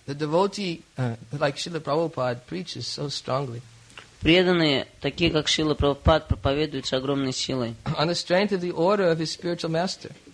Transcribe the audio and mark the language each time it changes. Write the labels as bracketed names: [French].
[English] the devotee, like Srila Prabhupada, preaches so strongly. [Russian] Преданные, такие как Шрила Прабхупада, проповедуют с огромной силой. [English] On the strength of the order of his spiritual master.